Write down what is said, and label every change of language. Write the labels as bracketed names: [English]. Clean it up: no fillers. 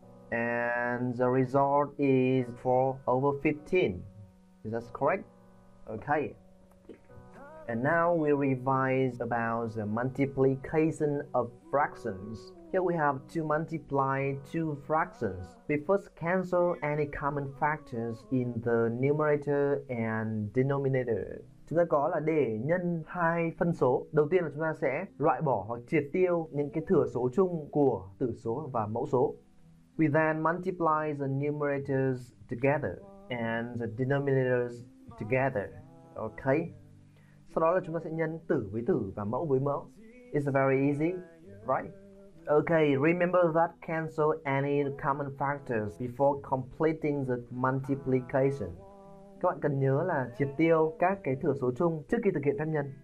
[English] And the result is 4 over 15. Is that correct? Okay. And now we revise about the multiplication of fractions. Here we have to multiply two fractions. We first cancel any common factors in the numerator and denominator. [Vietnamese] Chúng ta có là để nhân hai phân số. Đầu tiên là chúng ta sẽ loại bỏ hoặc triệt tiêu những cái thừa số chung của tử số và mẫu số. [English] We then multiply the numerators together and the denominators together. Okay. [Vietnamese] Sau đó là chúng ta sẽ nhân tử với tử và mẫu với mẫu. [English] It's very easy, right? Okay, remember that cancel any common factors before completing the multiplication. [Vietnamese] Các bạn cần nhớ là triệt tiêu các cái thừa số chung trước khi thực hiện phép nhân.